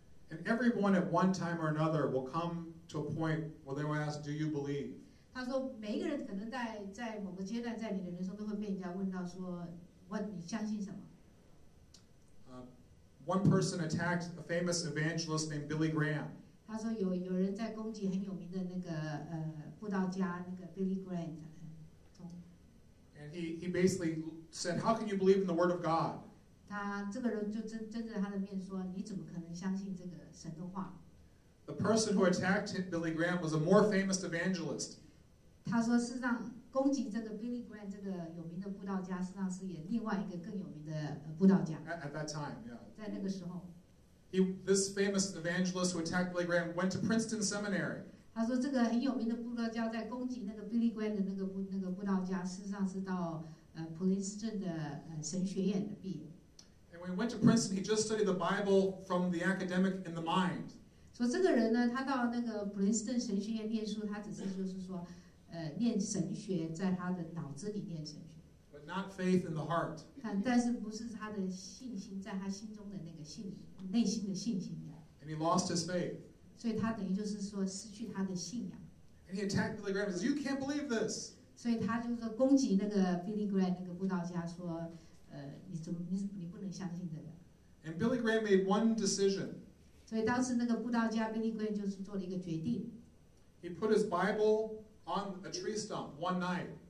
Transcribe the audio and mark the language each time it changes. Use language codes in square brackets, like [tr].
[en] And everyone at one time or another will come to a point where they will ask, "Do you believe?" [zh] 他说每一个人可能 在某个阶段在你的人生都会被人家问到说你相信什么。 [en] One person attacked a famous evangelist named Billy Graham. [zh] 他说 有人在攻击很有名的那个布道家那个 Billy Graham. [en] And he basically said, how can you believe in the word of God? [zh] 他这个人就真正他的面说你怎么可能相信这个神的话。 [en] The person who attacked Billy Graham was a more famous evangelist. [zh] 他说事实上攻击这个 Billy Graham 这个有名的布道家事实上是也另外一个更有名的布道家。 [en] At that time, yeah. [zh] 在那个时候 [en] this famous evangelist who attacked Billy Graham went to Princeton Seminary. [zh] 他说这个很有名的布道家在攻击那个 Billy Graham 的那个布道家事实上是到普林斯顿的神学院的毕业。 [en] And when he went to Princeton, he just studied the Bible from the academic in the mind. [zh] 所以这个人呢他到那个普林斯顿神学院念书他只是就是说念神学，在他的脑子里念神学。 [en] But not faith in the heart. [zh] 但是不是他的信心，在他心中的那个信，内心的信心。 [en] And he lost his faith. [zh] 所以他等于就是说失去他的信仰。 [en] And he attacked Billy Graham and said, "You can't believe this." [zh] 所以他就是说攻击那个 Billy Graham 那个布道家说，你不能相信这个。 [en] And Billy Graham made one decision. [zh] 所以当时那个布道家 Billy Graham 就是做了一个决定。 [en] He put his Bible on a tree stump one night.